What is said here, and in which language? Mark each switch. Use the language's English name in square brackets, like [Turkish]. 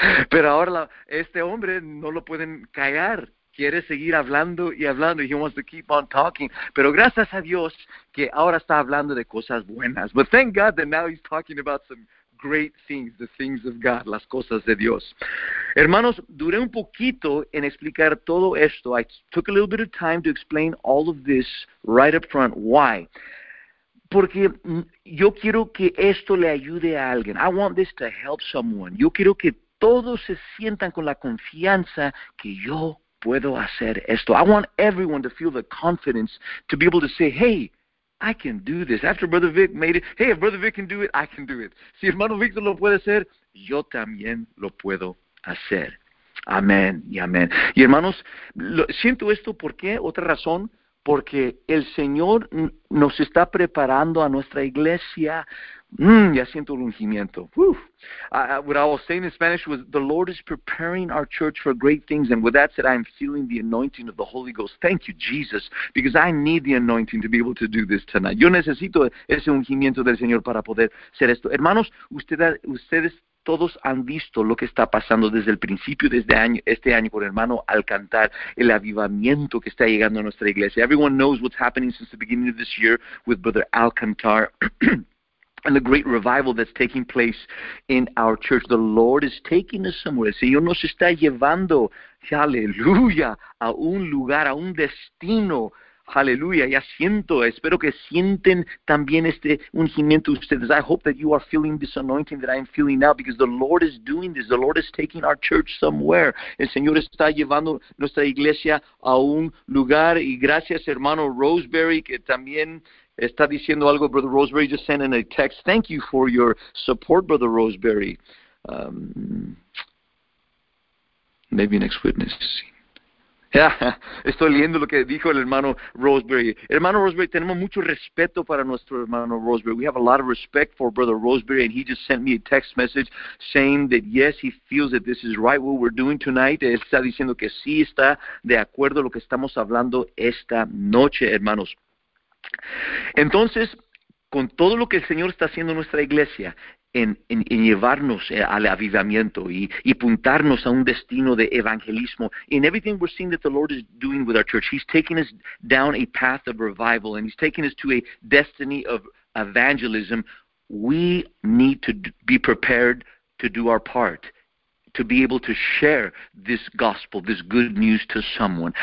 [Spanish] Pero ahora este hombre no lo pueden callar. Quiere seguir hablando y hablando. [English] He wants to keep on talking. [Spanish] Pero gracias a Dios que ahora está hablando de cosas buenas. [English] But thank God that now he's talking about some great things, the things of God, [Spanish] las cosas de Dios. Hermanos, duré un poquito en explicar todo esto. [English] I took a little bit of time to explain all of this right up front. Why? [Spanish] Porque yo quiero que esto le ayude a alguien. [English] I want this to help someone. [Spanish] Yo quiero que todos se sientan con la confianza que yo puedo hacer esto. [English] I want everyone to feel the confidence to be able to say, hey, I can do this. After Brother Vic made it, hey, if Brother Vic can do it, I can do it. [Spanish] Si hermano Victor lo puede hacer, yo también lo puedo hacer. Amén y amén. Y hermanos, siento esto, ¿por qué? Otra razón, porque el Señor nos está preparando a nuestra iglesia. Ya siento el ungimiento. [English] What I was saying in Spanish was, the Lord is preparing our church for great things. And with that said, I am feeling the anointing of the Holy Ghost. Thank you, Jesus, because I need the anointing to be able to do this tonight. [Spanish] Yo necesito ese ungimiento del Señor para poder hacer esto. Hermanos, ustedes todos han visto lo que está pasando desde el principio de este año con hermano Alcantar, el avivamiento que está llegando a nuestra iglesia. [English] Everyone knows what's happening since the beginning of this year with Brother Alcantar. And the great revival that's taking place in our church. The Lord is taking us somewhere. [Spanish] El Señor nos está llevando, aleluya, a un lugar, a un destino. Aleluya, ya siento, espero que sienten también este ungimiento ustedes. [English] I hope that you are feeling this anointing that I am feeling now, because the Lord is doing this. The Lord is taking our church somewhere. [Spanish] El Señor está llevando nuestra iglesia a un lugar. Y gracias, hermano Roseberry, que también está diciendo algo. [English] Brother Roseberry just sent in a text. Thank you for your support, Brother Roseberry. Maybe next witness. Yeah, [Spanish] estoy leyendo lo que dijo el hermano Roseberry. Hermano Roseberry, tenemos mucho respeto para nuestro hermano Roseberry. [English] We have a lot of respect for Brother Roseberry, and he just sent me a text message saying that yes, he feels that this is right what we're doing tonight. [Spanish] Él está diciendo que sí está de acuerdo lo que estamos hablando esta noche, hermanos. Entonces, con todo lo que el Señor está haciendo en nuestra iglesia, en llevarnos al avivamiento y apuntarnos a un destino de evangelismo, [English] in everything we're seeing that the Lord is doing with our church, he's taking us down a path of revival, and he's taking us to a destiny of evangelism, we need to be prepared to do our part, to be able to share this gospel, this good news to someone.